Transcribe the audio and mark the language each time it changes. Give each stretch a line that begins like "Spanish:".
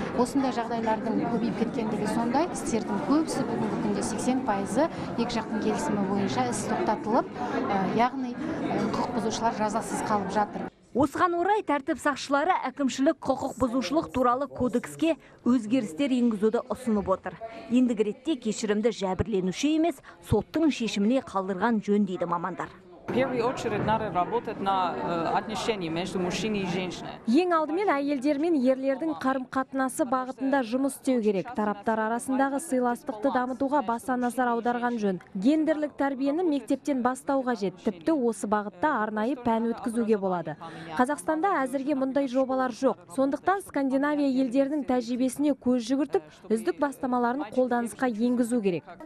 Kazakh: Осындай жағдайлардың көбейіп кеткендігі сондай, істердің көбісі бүгінгі күнде 80% екі жақтың келісімі бойынша іс тоқтатылып, яғни құқық бұзушылар жазасыз қалып жатыр. Осыған орай тәртіп сақшылары әкімшілік құқық бұзушылық туралы кодекске өзгерістер енгізуді ұсынып отыр. Ендігі ретте кешірімді жәбірленуші емес, соттың шешіміне қалдырған жөн дейді мамандар.
Russian: В первую очередь надо работать на отношениях между мужчиной и женщиной.
Kazakh: Ең алдымен әйелдер мен ерлердің қарым-қатынасы бағытында жұмыс істеу керек. Тараптар арасындағы сыйластықты дамытуға баса назар аударған жөн. Гендерлік тәрбиені мектептен бастау қажет. Тіпті осы бағытта арнайы пән өткізуге болады. Қазақстанда әзірге мұндай жобалар жоқ. Сондықтан Скандинавия елдерінің тәжірибесіне көз жүгіртіп, үздік бастамаларын қолданысқа енгізу керек.